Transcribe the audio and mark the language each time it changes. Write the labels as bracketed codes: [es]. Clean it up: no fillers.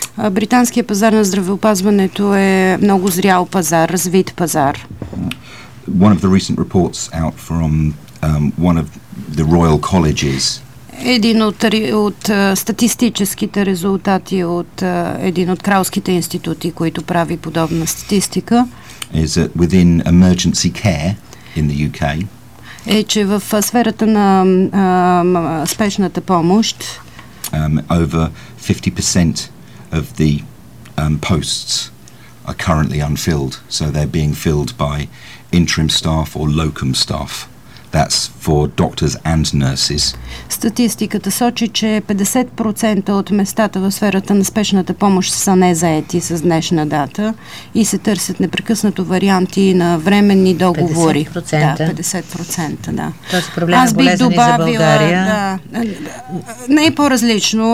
[bg] Британският пазар на здравеопазването е много зрял пазар, развит пазар. [en] One of the recent reports out from one of the Royal Colleges. [bg] Един от статистическите резултати от един от кралските институти, които прави подобна статистика, [en] is that within emergency care in the UK, [bg] е, че в сферата на спешната помощ [en] over 50% of the posts are currently unfilled, so they're being filled by interim staff or locum staff. That's for doctors and nurses. [bg] Статистиката сочи, че 50% от местата в сферата на спешната помощ са незаети с днешна дата и се търсят непрекъснато варианти на временни договори. 50%. Да, 50%, да. Аз бих добавила, да, не е по-различно.